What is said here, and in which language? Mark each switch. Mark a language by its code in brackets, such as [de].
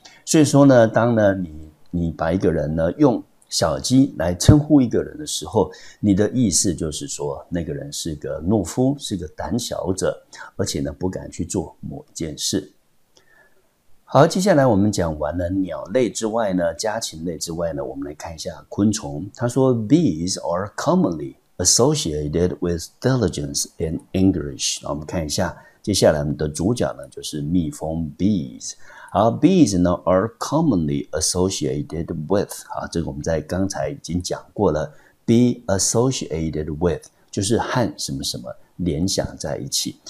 [zh] 所以说呢当呢你把一个人呢用小鸡来称呼一个人的时候，你的意思就是说那个人是个懦夫，是个胆小者，而且呢不敢去做某件事。好，接下来我们讲完了鸟类之外呢，家禽类之外呢，我们来看一下昆虫。 [en] 他说 Bees are commonly associated with diligence and English。 [zh] 我们看一下接下来我们的主角呢就是蜜蜂 Bees。好， bees 呢 [en] are commonly associated with， [zh] 好，这个我们在刚才已经讲过了， [en] be associated with [zh] 就是和什么什么联想在一起。